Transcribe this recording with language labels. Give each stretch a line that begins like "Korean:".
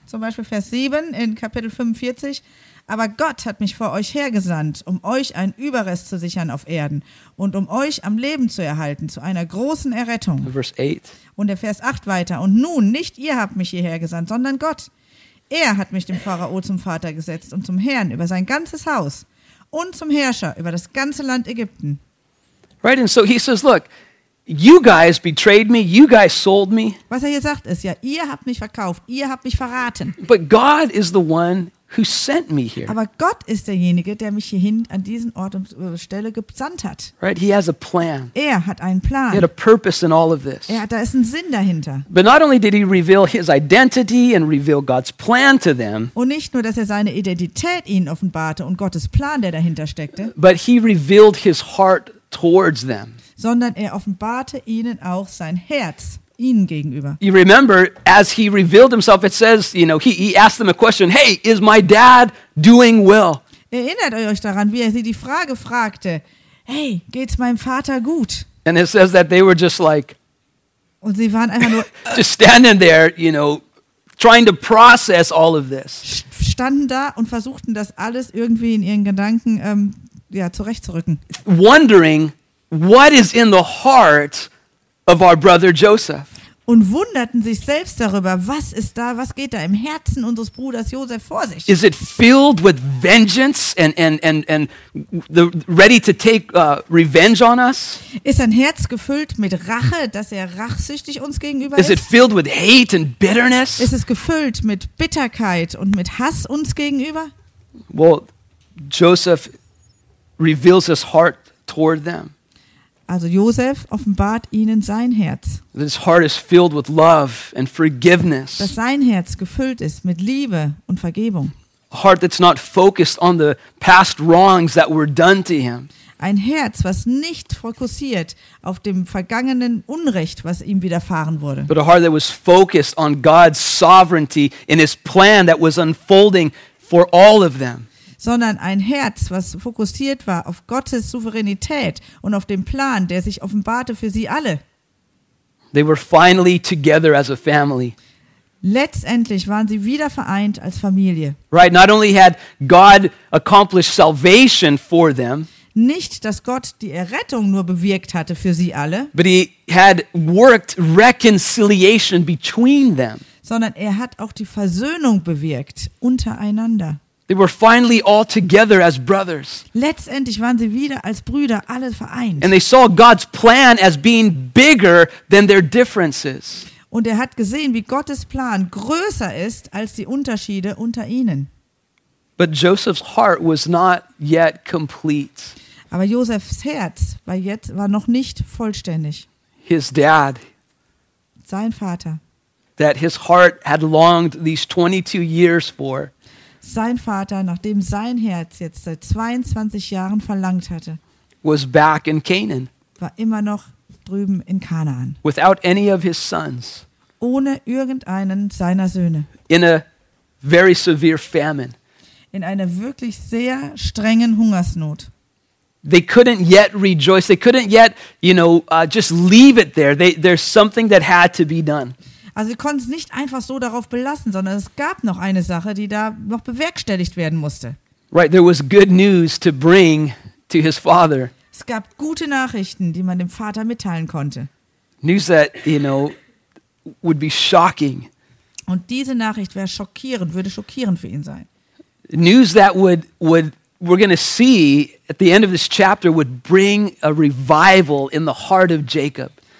German: Zum Beispiel Vers 7 in Kapitel 45. Aber Gott hat mich vor euch hergesandt, um euch einen Überrest zu sichern auf Erden und um euch am Leben zu erhalten, zu einer großen Errettung.
English: Verse 8.
German: Und der Vers 8 weiter. Und nun, nicht ihr habt mich hierher gesandt, sondern Gott. Er hat mich dem Pharao zum Vater gesetzt und zum Herrn über sein ganzes Haus und zum Herrscher über das ganze Land Ägypten.
English: Right, and so he says, look, you guys betrayed me, you guys sold me.
German: Was er hier sagt ist, ja, ihr habt mich verkauft, ihr habt mich verraten.
English: But God is the one who sent me here.
German: Aber Gott ist derjenige, der mich hierhin an diesen Ort und Stelle gesandt hat.
English: Right, he has a plan.
German: Er hat einen Plan.
English: He had a purpose in all of this.
German: Ja, da ist ein Sinn dahinter.
English: But not only did he reveal his identity and reveal God's plan to them.
German: Und nicht nur, dass er seine Identität ihnen offenbarte und Gottes Plan, der dahinter steckte.
English: But he revealed his heart towards them.
German: Sondern er offenbarte ihnen auch sein Herz ihnen gegenüber.
English: You remember, as he revealed himself, it says, you know, he asked them a question. Hey, is my dad doing well?
German: Erinnert euch daran, wie er sie die Frage fragte. Hey, geht's meinem Vater gut?
English: And it says that they were just like.
German: Und sie waren einfach nur.
English: Just standing there, you know, trying to process all of this.
German: Standen da und versuchten das alles irgendwie in ihren Gedanken zurechtzurücken.
English: Wondering what is in the heart of our brother Joseph.
German: Und wunderten sich selbst darüber, was ist da, was geht da im Herzen unseres Bruders Joseph vor sich?
English: Is it filled with vengeance and the ready to take revenge on us?
German: Ist sein Herz gefüllt mit Rache, dass er rachsüchtig uns gegenüber ist?
English: Is it filled with hate and bitterness?
German: Ist es gefüllt mit Bitterkeit und mit Hass uns gegenüber?
English: Well, Joseph reveals his heart toward them.
German: Also Josef offenbart ihnen sein Herz.
English: His heart is filled with love and forgiveness.
German: Dass sein Herz gefüllt ist mit Liebe und Vergebung.
English: A heart that's not focused on the past wrongs that were done to him.
German: Ein Herz, was nicht fokussiert auf dem vergangenen Unrecht, was ihm widerfahren wurde.
English: But a heart that was focused on God's sovereignty in his plan that was unfolding for all of them.
German: Sondern ein Herz, was fokussiert war auf Gottes Souveränität und auf den Plan, der sich offenbarte für sie alle.
English: They were finally together as a family.
German: Letztendlich waren sie wieder vereint als Familie.
English: Right, not only had God accomplished salvation for them,
German: nicht, dass Gott die Errettung nur bewirkt hatte für sie alle,
English: but he had worked reconciliation between them.
German: Sondern er hat auch die Versöhnung bewirkt untereinander.
English: They were finally all together as brothers.
German: Letztendlich waren sie wieder als Brüder alle vereint.
English: And they saw God's plan as being bigger than their differences.
German: Und er hat gesehen, wie Gottes Plan größer ist als die Unterschiede unter ihnen.
English: But Joseph's heart was not yet complete.
German: Aber Josephs Herz war noch nicht vollständig.
English: His dad.
German: Sein Vater.
English: That his heart had longed these 22 years for.
German: Sein Vater, nachdem sein Herz jetzt seit 22 Jahren verlangt hatte,
English: was back in Canaan,
German: war immer noch drüben in Kanaan.
English: Without any of his sons,
German: ohne irgendeinen seiner Söhne.
English: In a very severe famine,
German: in einer wirklich sehr strengen Hungersnot.
English: They couldn't yet rejoice. They couldn't yet, you know, just leave it there. There's something that had to be done.
German: Also sie konnten es nicht einfach so darauf belassen, sondern es gab noch eine Sache, die da noch bewerkstelligt werden musste.
English: Right, there was good news to bring to his father.
German: Es gab gute Nachrichten, die man dem Vater mitteilen konnte.
English: News that, you know, would be shocking.
German: Und diese Nachricht wäre schockierend, würde schockierend für ihn sein.
English: News that would we're going to see at the end of this chapter would bring a revival in the heart of Jacob.